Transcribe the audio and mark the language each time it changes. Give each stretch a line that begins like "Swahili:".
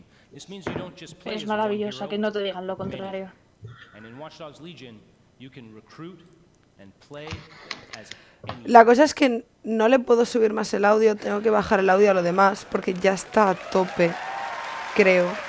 Spanish: Es maravillosa que no te digan lo contrario.
English: And in Watch Dogs Legion, you can recruit and play as.
Spanish: La cosa es que no le puedo subir más el audio, tengo que bajar el audio a lo demás, porque ya está a tope, creo.